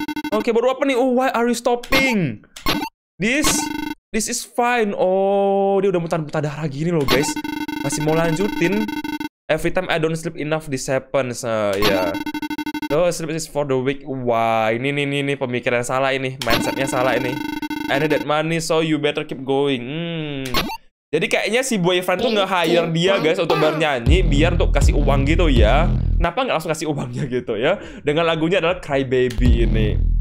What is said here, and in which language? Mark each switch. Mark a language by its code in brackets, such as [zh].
[id] Oke, baru apa nih? [en] Oh, why are you stopping? This is fine. [id] Oh, dia udah muntah-muntah darah gini loh guys. Masih mau lanjutin. [en] Every time I don't sleep enough, this happens. Yeah. So, sleep is for the weak. [id] Wah, ini pemikiran salah ini. Mindsetnya salah ini. [en] I need that money, so you better keep going. [id] Jadi kayaknya si boyfriend tuh nge-hire dia guys untuk bernyanyi biar untuk kasih uang gitu ya. Kenapa nggak langsung kasih uangnya gitu ya? Dengan lagunya adalah Cry Baby ini.